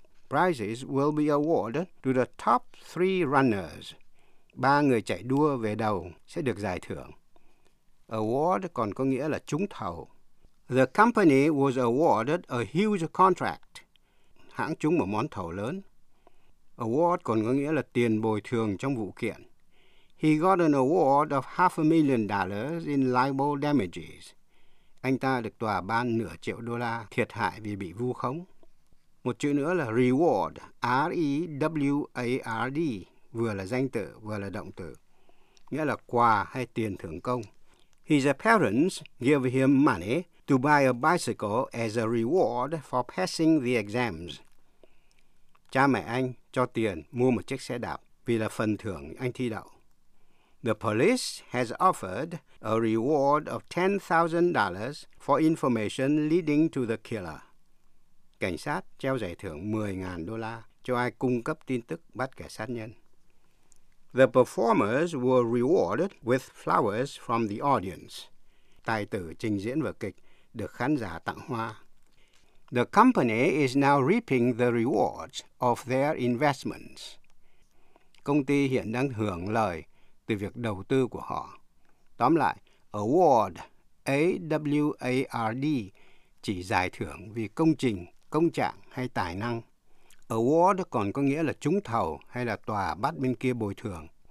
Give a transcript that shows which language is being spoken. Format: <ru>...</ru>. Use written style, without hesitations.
<en>Prizes will be awarded to the top three runners.</en> <vi>Ba người chạy đua về đầu sẽ được giải thưởng. Award còn có nghĩa là trúng thầu.</vi> <en>The company was awarded a huge contract.</en> <vi>Hãng trúng một món thầu lớn. Award còn có nghĩa là tiền bồi thường trong vụ kiện.</vi> <en>He got an award of $500,000 in libel damages.</en> <vi>Anh ta được tòa ban nửa triệu đô la thiệt hại vì bị vu khống. Một chữ nữa là reward, R-E-W-A-R-D, vừa là danh từ vừa là động từ, nghĩa là quà hay tiền thưởng công.</vi> <en>His parents gave him money to buy a bicycle as a reward for passing the exams.</en> <vi>Cha mẹ anh cho tiền mua một chiếc xe đạp vì là phần thưởng anh thi đậu.</vi> <en>The police has offered a reward of $10,000 for information leading to the killer.</en> <vi>Cảnh sát treo giải thưởng $10,000 cho ai cung cấp tin tức bắt kẻ sát nhân.</vi> <en>The performers were rewarded with flowers from the audience.</en> <vi>Tài tử trình diễn vở kịch được khán giả tặng hoa.</vi> <en>The company is now reaping the rewards of their investments.</en> <vi>Công ty hiện đang hưởng lợi từ việc đầu tư của họ. Tóm lại, award, A-W-A-R-D, chỉ giải thưởng vì công trình, công trạng hay tài năng. Award còn có nghĩa là trúng thầu hay là tòa bắt bên kia bồi thường.</vi>